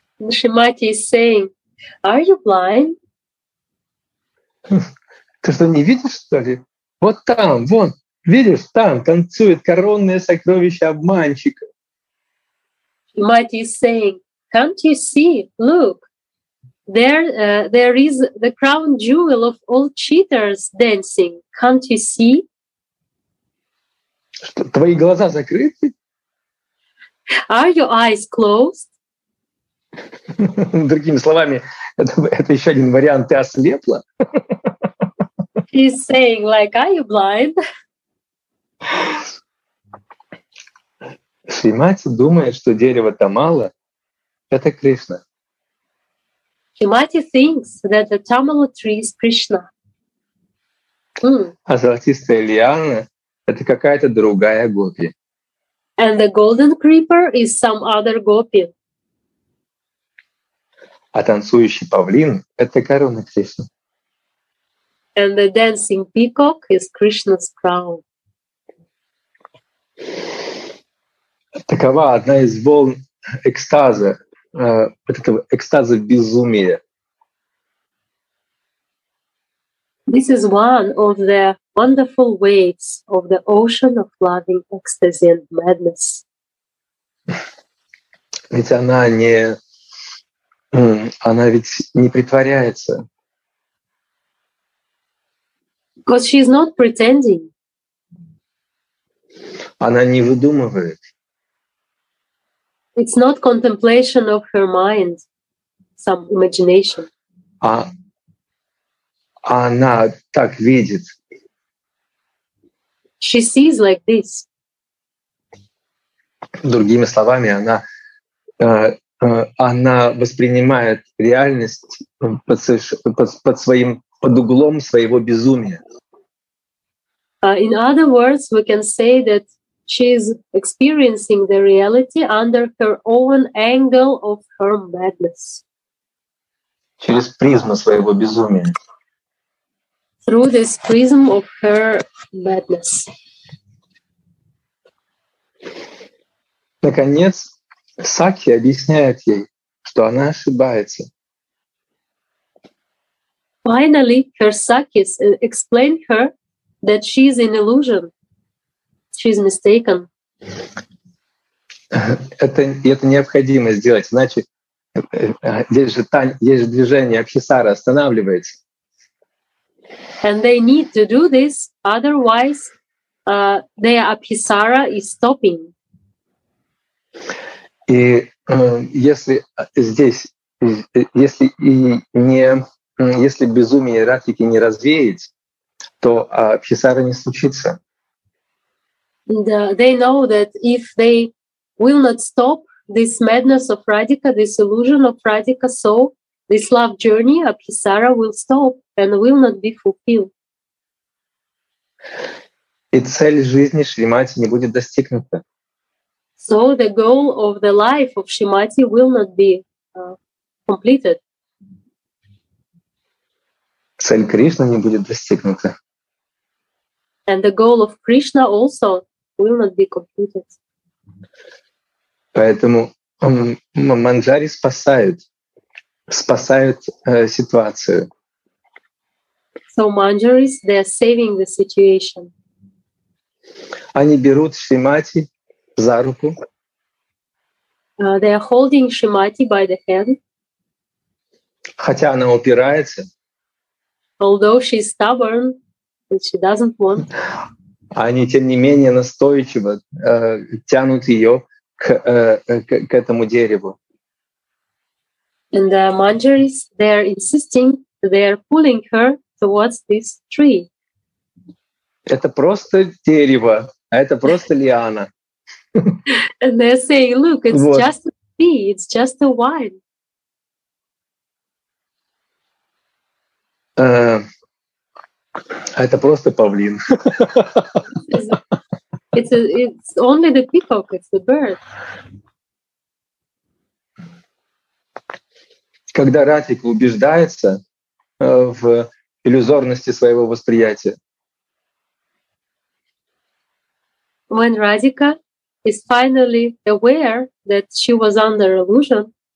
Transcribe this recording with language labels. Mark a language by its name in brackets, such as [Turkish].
[English] Шримати is saying, are you blind? [Russian] Ты что, не видишь, что ли? Вот там, вон, видишь, там танцует коронное сокровище обманщика. [English] Шримати is saying, can't you see? Look, there is the crown jewel of all cheaters dancing. Can't you see? [Russian] Что, твои глаза закрыты? [English] Are your eyes closed? [Russian] Другими словами, это еще один вариант. Ты ослепла? [English] He's saying, like, are you blind? [Russian] Шримати думает, что дерево тамала — это Кришна. [English] Шримати thinks that the tamala tree is Krishna. [Russian] А золотистая лиана — это какая-то другая гопи. [English] And the golden creeper is some other gopi. [Russian] А танцующий павлин — это корона Кришны. [English] And the dancing peacock is Krishna's crown. [Russian] Такова одна из волн экстаза, этого экстаза безумия. [English] This is one of the wonderful waves of the ocean of loving ecstasy and madness. [Russian] Ведь она ведь не притворяется. [English] Because she is not pretending. [Russian] Она не выдумывает. [English] It's not contemplation of her mind, some imagination. [Russian] Она так видит. [English] She sees like this. [Russian] Другими словами, она воспринимает реальность под своим под углом своего безумия. [English] In other words, we can say that she is experiencing the reality under her own angle of her madness. [Russian] Через призму своего безумия. [English] Through this prism of her madness. [Russian] Наконец, Сакхи объясняет ей, что она ошибается. [English] Finally, her Sakis explain her that she is in illusion. She's mistaken. [Russian] Это необходимо сделать, иначе есть же движение, абхисара останавливается. [English] And they need to do this, otherwise their абхисара is stopping. [Russian] И если безумие Радхики не развеять, то абхисара не случится. [English] And they know that if they will not stop this madness of Radhika, this illusion of Radhika, so this love journey of Abhisara will stop and will not be fulfilled. [Russian] И цель жизни Шримати не будет достигнута. [English] So the goal of the life of Шримати will not be completed. [Russian] Цель Кришны не будет достигнута. [English] And the goal of Krishna also will not be completed. [Russian] Поэтому Манджари спасают ситуацию. [English] So Manjaris, they are saving the situation. [Russian] Они берут Шримати за руку. [English] They are holding Шримати by the hand. [Russian] Хотя она упирается. [English] Although she is stubborn and she doesn't want. [Russian] Они, тем не менее, настойчиво тянут ее к этому дереву. [English] And the Manjaris, they are insisting, they are pulling her towards this tree. [Russian] Это просто дерево, а это просто лиана. [English] And they're saying, look, it's [Russian] вот. [English] Just a tree, it's just a vine. [Russian] А это просто павлин. [English] It's only the peacock, it's the bird. [Russian] Когда Радхика убеждается в иллюзорности своего восприятия. [English] When Radhika is finally aware that she was under illusion,